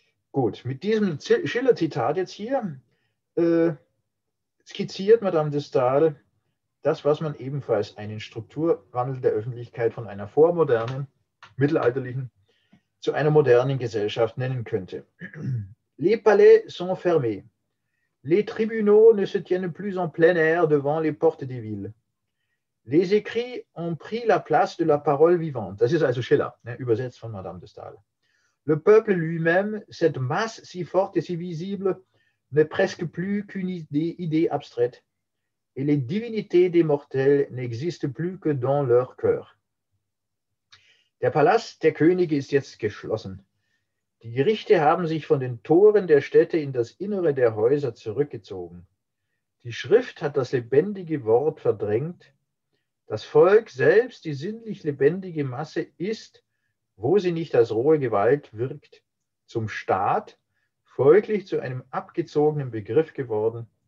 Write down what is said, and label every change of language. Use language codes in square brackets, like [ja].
[de] Gut, mit diesem Schiller-Zitat jetzt hier skizziert Madame de Staël das, was man ebenfalls einen Strukturwandel der Öffentlichkeit von einer vormodernen, mittelalterlichen zu einer modernen Gesellschaft nennen könnte. [fr] Les palais sont fermés. Les tribunaux ne se tiennent plus en plein air devant les portes des villes. Les écrits ont pris la place de la parole vivante. [de] Das ist also Schiller, ne, übersetzt von Madame de Staël. [fr] Le peuple lui-même, cette masse si forte et si visible, n'est presque plus qu'une idée abstraite. Et les divinités des mortels n'existent plus que dans leur cœur. [de] Der Palast der Könige ist jetzt geschlossen. Die Gerichte haben sich von den Toren der Städte in das Innere der Häuser zurückgezogen. Die Schrift hat das lebendige Wort verdrängt. Das Volk selbst, die sinnlich lebendige Masse, ist, wo sie nicht als rohe Gewalt wirkt, zum Staat, folglich zu einem abgezogenen Begriff geworden.